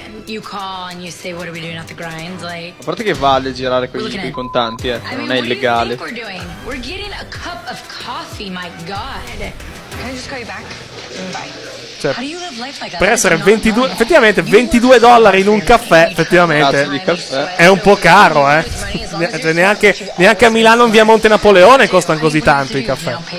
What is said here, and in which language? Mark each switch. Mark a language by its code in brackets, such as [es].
[en] you call and you say what are we doing at the grind, like, [it] a parte che vale girare con gli sbi contanti, eh, non, [en] I mean, [it] è illegale. [en] We're doing, we're getting a cup of coffee, my god. Can I just call you back? Bye. [it] Cioè, per essere 22, effettivamente $22 in un caffè, effettivamente è un po' caro, eh. Neanche a Milano in via Monte Napoleone costano così tanto i caffè.